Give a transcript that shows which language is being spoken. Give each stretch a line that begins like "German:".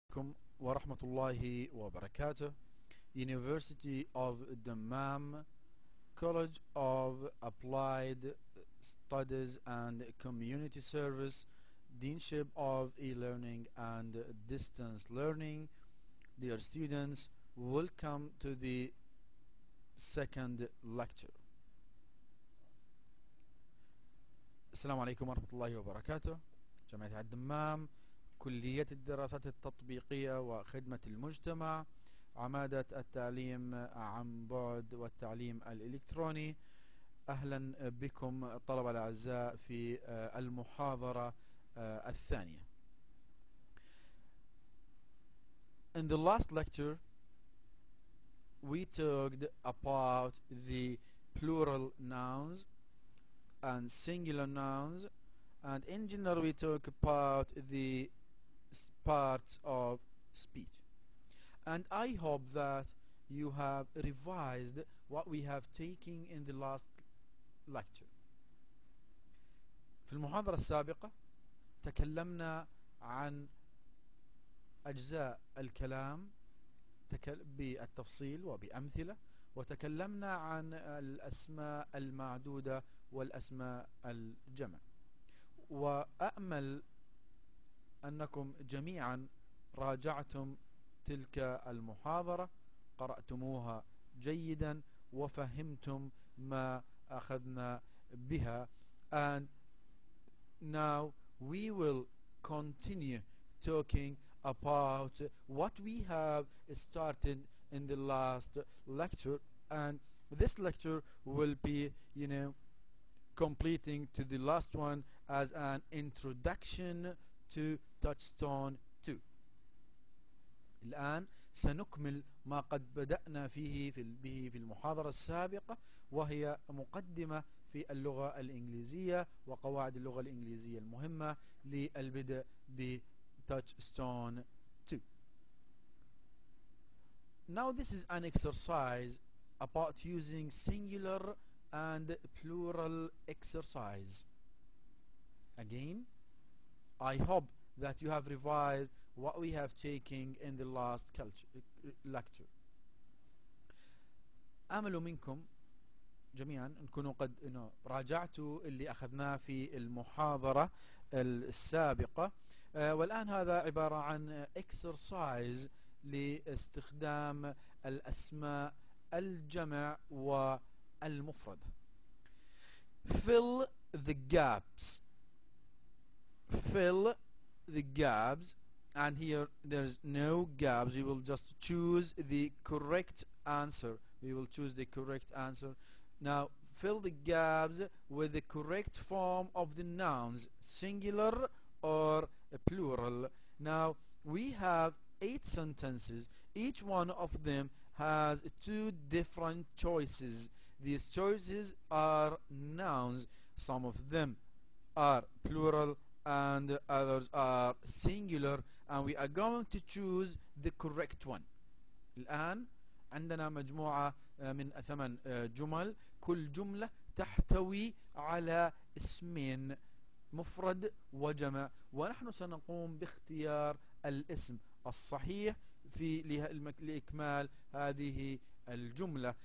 Arabic: عليكم ورحمة الله وبركاته.
English: University of Dammam, College of Applied Studies and Community Service, Deanship of E-Learning and Distance Learning. Dear students, welcome to the second lecture.
Arabic: السلام عليكم ورحمة الله وبركاته. جامعة الدمام، كلية الدراسات التطبيقية وخدمة المجتمع، عمادة التعليم عن بعد والتعليم الإلكتروني. أهلا بكم طلبة الأعزاء في المحاضرة الثانية.
English: In the last lecture, we talked about the plural nouns and singular nouns, and in general we talk about the parts of speech. And I hope that you have revised what we have taken in the last lecture.
Arabic: في المحاضرة السابقة تكلمنا عن أجزاء الكلام بالتفصيل وبأمثلة، وتكلمنا عن الأسماء المعدودة والأسماء الجمع، وأأمل أنكم جميعا راجعتم تلك المحاضرة، قرأتموها جيدا وفهمتم ما أخذنا بها.
English: And now we will continue talking about what we have started in the last lecture, and this lecture will be, you know, completing to the last one as an introduction to Touchstone 2.
Arabic: الآن سنكمل ما قد بدأنا فيه في المحاضرة السابقة، وهي مقدمة في اللغة الإنجليزية وقواعد اللغة الإنجليزية المهمة للبدء ب Touchstone 2.
English: Now this is an exercise about using singular and plural exercise. Again, I hope that you have revised what we have taken in the last lecture.
Arabic: أمل منكم جميعا أنكم قد راجعتوا اللي أخذناه في المحاضرة السابقة. والآن هذا عبارة عن exercise لاستخدام الأسماء الجمع والمفرد.
English: Fill the gaps. Fill the gaps. And here there's no gaps. We will just choose the correct answer. We will choose the correct answer. Now fill the gaps with the correct form of the nouns, singular or plural. Now we have 8 sentences. Each one of them has 2 different choices. These choices are nouns. Some of them are plural and others are singular, and we are going to choose the correct one.
Arabic: الآن عندنا مجموعة من 8 جمل، كل جملة تحتوي على اسمين، مفرد وجمع، ونحن سنقوم باختيار الاسم الصحيح في لإكمال هذه الجملة.